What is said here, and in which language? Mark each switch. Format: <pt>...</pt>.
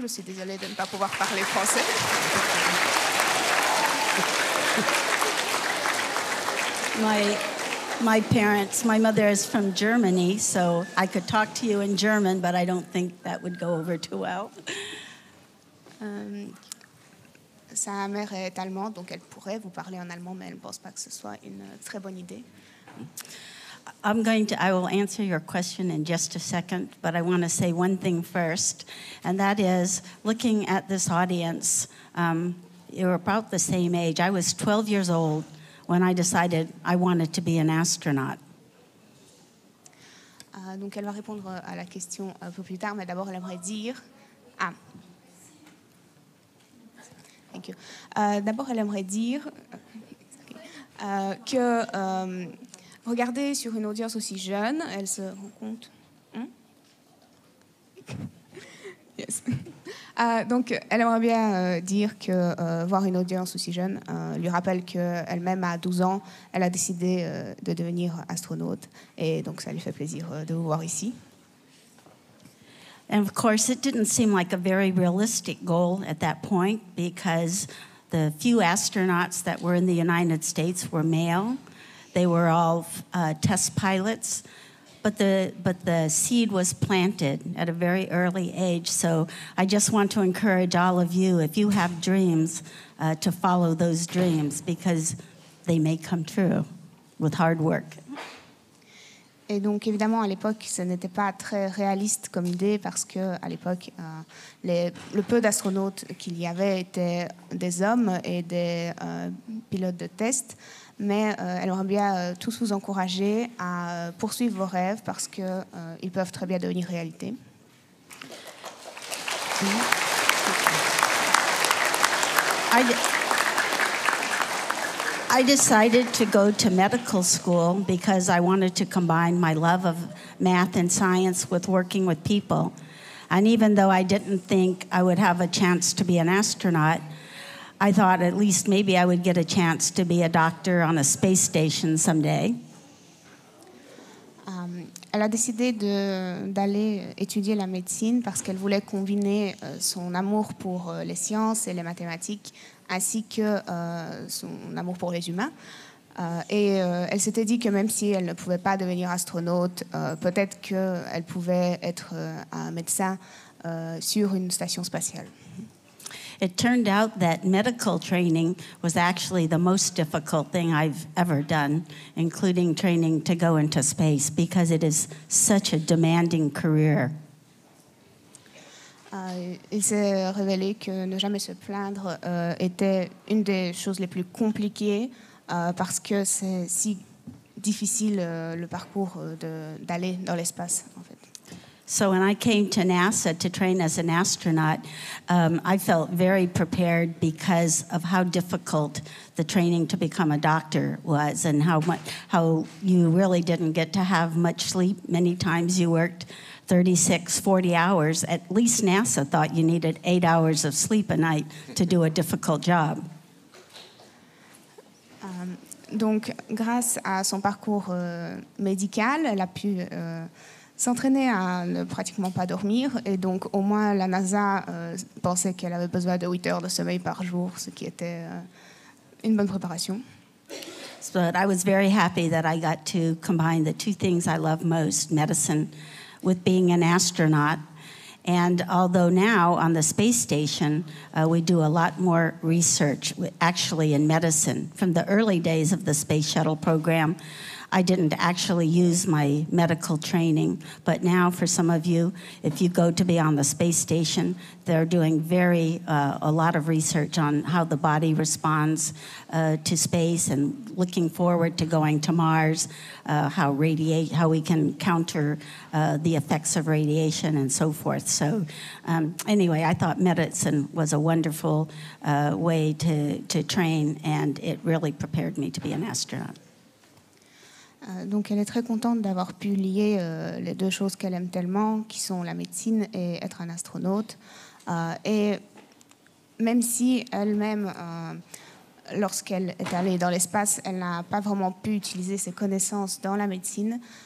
<fr>Je suis désolée de ne pas pouvoir parler français.</fr> <en>My parents, my mother is from Germany, so I could talk to you in German, but I don't think that would go over too well.</en> <fr>Sa mère est allemande, donc elle pourrait vous parler en allemand, mais elle ne pense pas que ce soit une très bonne idée.</fr> <en>I will answer your question in just a second, but I want to say one thing first, and that is, looking at this audience, you're about the same age. I was 12 years old when I decided I wanted to be an astronaut.</en> <fr>Donc elle va répondre à la question un peu plus tard, mais d'abord elle aimerait dire... Ah.</fr> <en>Thank you.</en> <fr>D'abord elle aimerait dire que... Regardez sur une audience aussi jeune, elle se rend compte. Hein?</fr> <en>Yes.</en> <fr>Donc, elle aimerait bien dire que voir une audience aussi jeune lui rappelle qu'elle-même, à 12 ans, elle a décidé de devenir astronaute. Et donc, ça lui fait plaisir de vous voir ici.</fr> <en>And of course, it didn't seem like a very realistic goal at that point, because the few astronauts that were in the United States were male. They were all test pilots, but the seed was planted at a very early age. So I just want to encourage all of you, if you have dreams, to follow those dreams, because they may come true with hard work.</en> <fr>Et donc évidemment à l'époque ce n'était pas très réaliste comme idée, parce que à l'époque le peu d'astronautes qu'il y avait étaient des hommes et des pilotes de test. Mais elle aimerait bien tous vous encourager à poursuivre vos rêves, parce qu'ils peuvent très bien devenir réalité.</fr> <en>I decided to go to medical school because I wanted to combine my love of math and science with working with people. And even though I didn't think I would have a chance to be an astronaut, I thought at least maybe I would get a chance to be a doctor on a space station someday.</en> <fr>Elle a décidé d'aller étudier la médecine parce qu'elle voulait combiner son amour pour les sciences et les mathématiques, ainsi que son amour pour les humains. Elle s'était dit que même si elle ne pouvait pas devenir astronaute, peut-être qu'elle pouvait être un médecin sur une station spatiale.</fr> <en>It turned out that medical training was actually the most difficult thing I've ever done, including training to go into space, because it is such a demanding career.</en> <fr>Il s'est révélé que ne jamais se plaindre était une des choses les plus compliquées, parce que c'est si difficile le parcours d'aller dans l'espace, en fait.</fr> <en>So when I came to NASA to train as an astronaut, I felt very prepared because of how difficult the training to become a doctor was, and how you really didn't get to have much sleep. Many times you worked 36, 40 hours. At least NASA thought you needed 8 hours of sleep a night to do a difficult job.</en> <fr>Donc, grâce à son parcours médical, elle a pu... s'entraîner à ne pratiquement pas dormir, et donc au moins la NASA pensait qu'elle avait besoin de 8 heures de sommeil par jour, ce qui était une bonne préparation.</fr> <en>But I was very happy that I got to combine the two things I love most, medicine with being an astronaut. And although now on the space station we do a lot more research actually in medicine, from the early days of the space shuttle program I didn't actually use my medical training, but now for some of you, if you go to be on the space station, they're doing a lot of research on how the body responds to space, and looking forward to going to Mars, how we can counter the effects of radiation and so forth. So anyway, I thought medicine was a wonderful way to train, and it really prepared me to be an astronaut.</en> <fr>Donc elle est très contente d'avoir pu lier les deux choses qu'elle aime tellement, qui sont la médecine et être un astronaute. Et même si elle-même lorsqu'elle est allée dans l'espace, elle n'a pas vraiment pu utiliser ses connaissances dans la médecine.</fr>